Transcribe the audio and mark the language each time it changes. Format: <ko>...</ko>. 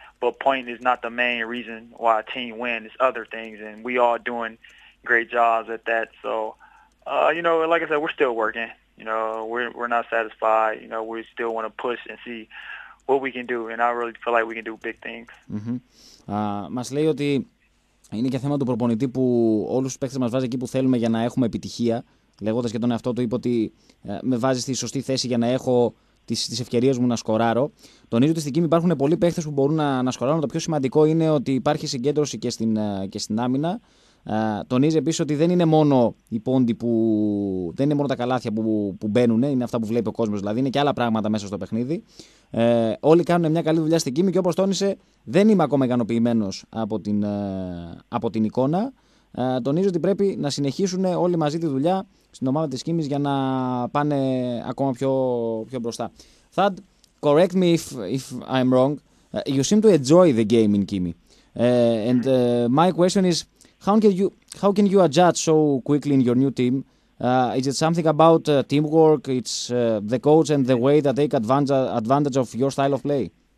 <en>But point is not the main reason why a team wins. It's other things, and we all doing great jobs at that. So, like I said, we're still working. You know, we're not satisfied. You know, we still want to push and see what we can do, and I really feel like we can do big things.</en> <el>Μας λέει ότι είναι και θέμα του προπονητή που όλους τους παίχτες μας βάζει εκεί που θέλουμε για να έχουμε επιτυχία. Λέγοντας και τον εαυτό του, είπε ότι με βάζει στη σωστή θέση για να έχω τις ευκαιρίες μου να σκοράρω. Τονίζω ότι στην Κίμη υπάρχουν πολλοί παίχτες που μπορούν να σκοράρουν. Το πιο σημαντικό είναι ότι υπάρχει συγκέντρωση και στην άμυνα. Τονίζει επίσης ότι δεν είναι μόνο οι πόντοι που. Δεν είναι μόνο τα καλάθια που μπαίνουν, είναι αυτά που βλέπει ο κόσμος, δηλαδή είναι και άλλα πράγματα μέσα στο παιχνίδι. Όλοι κάνουν μια καλή δουλειά στην Κίμη και όπως τόνισε, δεν είμαι ακόμα ικανοποιημένος από την εικόνα. Τονίζω ότι πρέπει να συνεχίσουν όλοι μαζί τη δουλειά στην ομάδα της Κίμης για να πάνε ακόμα πιο μπροστά.</el> <en>Θαντ, correct me if I'm wrong. You seem to enjoy the game in Kimi. And my question is, how can you adjust so quickly in your new team? Is it something about teamwork? It's the coach and the way that take advantage of your style of play?</en>